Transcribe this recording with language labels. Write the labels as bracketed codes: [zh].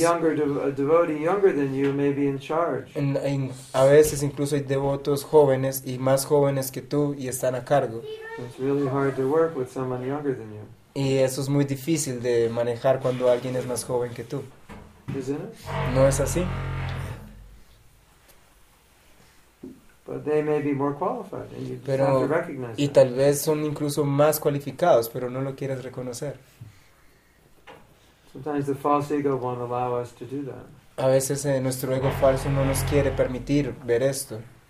[en] a devotee younger than you may be in charge. [es] A veces incluso hay devotos jóvenes y más jóvenes que tú y están a cargo. [en] It's really hard to work with someone younger than you. [es] Y eso es muy difícil de manejar cuando alguien es más joven que tú. [en] Isn't it? [es] ¿No es así? [en] But they may be more qualified, and you [es] pero, [en] just have to recognize [es] y [en] that. [es] Tal vez son incluso más cualificados, pero no lo quieres reconocer. [en] Sometimes the false ego won't allow us to do that. [es] A veces nuestro ego falso no nos quiere permitir ver esto.